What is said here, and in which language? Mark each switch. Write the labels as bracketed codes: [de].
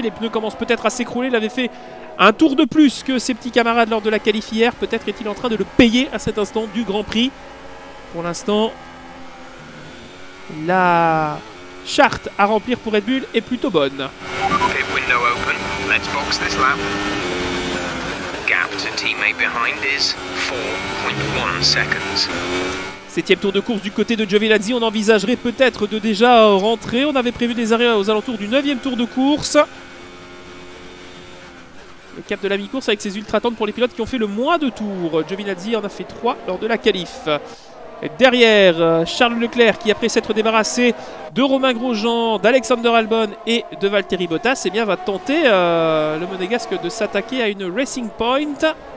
[fr] Les pneus commencent peut-être à s'écrouler. Il avait fait un tour de plus que ses petits camarades lors de la qualif hier. Peut-être est-il en train de le payer à cet instant du Grand Prix. Pour l'instant, la charte à remplir pour Red Bull est plutôt bonne. [en] Pit window open. Let's box this lap. Gap to teammate behind is 4.1 seconds. [fr] Septième tour de course du côté de Giovinazzi. On envisagerait peut-être de déjà rentrer. On avait prévu des arrêts aux alentours du 9e tour de course. Le cap de la mi-course avec ses ultra-tentes pour les pilotes qui ont fait le moins de tours. Giovinazzi en a fait 3 lors de la qualif. Derrière Charles Leclerc qui après s'être débarrassé de Romain Grosjean, d'Alexander Albon et de Valtteri Bottas, eh bien va tenter le Monégasque de s'attaquer à une Racing Point.